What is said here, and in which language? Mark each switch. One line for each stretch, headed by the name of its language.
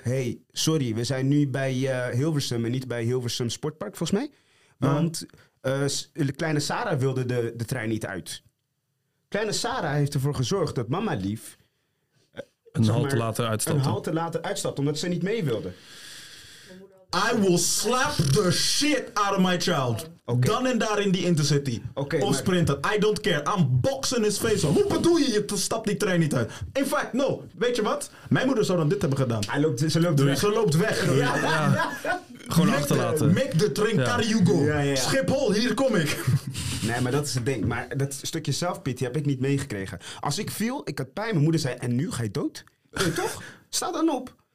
Dutch: Hey, sorry, we zijn nu bij Hilversum en niet bij Hilversum Sportpark volgens mij. Want kleine Sarah wilde de trein niet uit. Kleine Sarah heeft ervoor gezorgd dat mama lief een halte later uitstapt omdat ze niet mee wilde.
English: I will slap the shit out of my child. Okay.
Dutch: Dan en daar in die intercity.
English: Okay,
Dutch: of sprinter.
English: I don't care. I'm boxing his face off.
Dutch: Hoe bedoel je? Je stapt die trein niet uit.
English: In fact, no.
Dutch: Weet je wat? Mijn moeder zou dan dit hebben gedaan. Ze loopt weg. Ja. Ja. Gewoon achterlaten.
English: Make the train, carry you go. Schiphol,
Dutch: hier kom ik. Nee, maar dat is het ding. Maar dat stukje zelfpity heb ik niet meegekregen. Als ik viel, ik had pijn. Mijn moeder zei, en nu ga je dood? Nee, toch? Sta dan op.